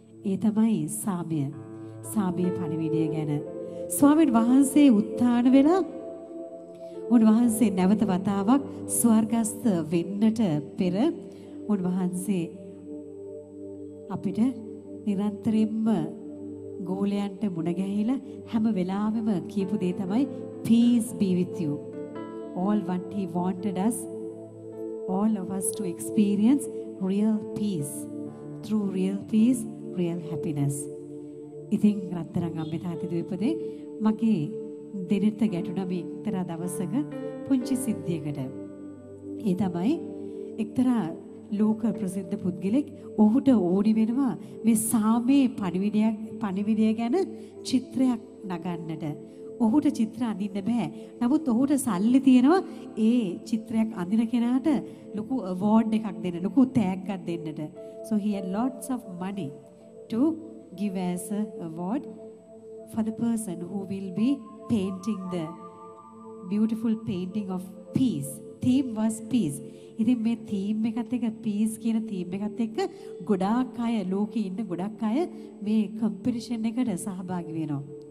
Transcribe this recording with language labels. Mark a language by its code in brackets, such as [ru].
[si] ඒ තමයි සාමය. සාමයේ පණිවිඩය ගැන ස්වාමින් වහන්සේ උත්ථාන වෙලා උන්වහන්සේ නැවත වතාවක් ස්වර්ගස්ථ වෙන්නට පෙර උන්වහන්සේ අපිට නිරන්තරයෙන්ම ගෝලයන්ට මුණ ගැහිලා හැම වෙලාවෙම කියපු දේ තමයි [en] peace be with you. All what he wanted us, all of us to experience real peace. Through real peace, real happiness. [si] ඉතින් රත්තරන් අම්මේ තාත්තේ දූපතේ මගේ දෙනෙත්ත ගැටුණා මේ එක්තරා දවසක පුංචි සිද්ධියකට. ඒ තමයි එක්තරා ලෝක ප්‍රසිද්ධ පුද්ගලෙක් ඔහුට ඕනි වෙනවා මේ සාමයේ පණිවිඩය ගැන චිත්‍රයක් නගන්නට. ඔහුට චිත්‍ර අඳින්න බෑ. නමුත් ඔහුට සල්ලි තියෙනවා ඒ චිත්‍රයක් අඳින කෙනාට ලොකු අවෝඩ් එකක් දෙන්න, ලොකු තෑග්ගක් දෙන්නට. [en] So he had lots of money to give as a award for the person who will be painting the beautiful painting of peace. Theme was peace. [si] ඉතින් මේ theme එකත් එක්ක, peace කියන theme එකත් එක්ක ගොඩාක් අය, ලෝකේ ඉන්න ගොඩාක් අය මේ competition එකට සහභාගී වෙනවා.